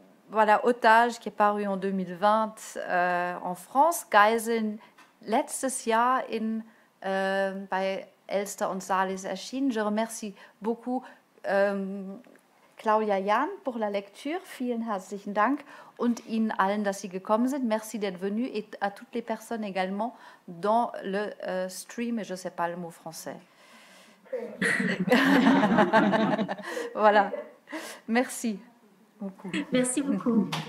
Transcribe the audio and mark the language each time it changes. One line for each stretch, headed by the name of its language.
French: Voilà, Otage, qui est paru en 2020 en France, Geiseln,
German: letztes Jahr bei Elster und Salis erschienen.
French: Je remercie beaucoup Claudia Jahn pour la lecture.
German: Vielen herzlichen Dank. Und Ihnen allen, dass Sie gekommen sind.
French: Merci d'être venu. Et à toutes les personnes également dans le stream, et je ne sais pas le mot français. Voilà. Merci. Beaucoup. Merci beaucoup.